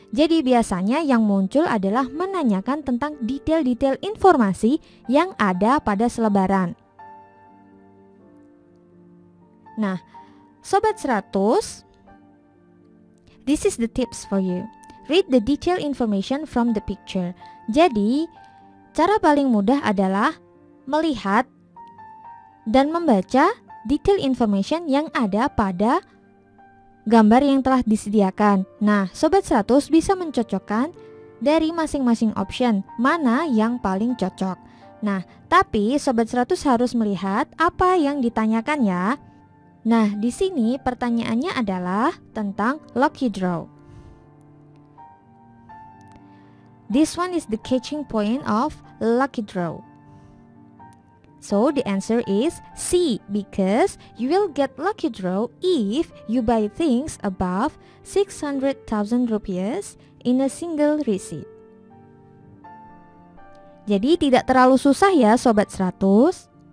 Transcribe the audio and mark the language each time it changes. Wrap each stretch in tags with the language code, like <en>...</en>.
<id>Jadi biasanya yang muncul adalah menanyakan tentang detail-detail informasi yang ada pada selebaran.</id> <en>Nah, Sobat 100, this is the tips for you. Read the detail information from the picture.</en> <id>Jadi, cara paling mudah adalah melihat dan membaca detail information yang ada pada gambar yang telah disediakan. Nah, Sobat 100 bisa mencocokkan dari masing-masing option, mana yang paling cocok. Nah, tapi Sobat 100 harus melihat apa yang ditanyakan ya. Nah, di sini pertanyaannya adalah tentang lucky draw.</id> <en>This one is the catching point of lucky draw. So the answer is C, because you will get lucky draw if you buy things above 600,000 rupiah in a single receipt.</en> <id>Jadi tidak terlalu susah ya Sobat 100.</id>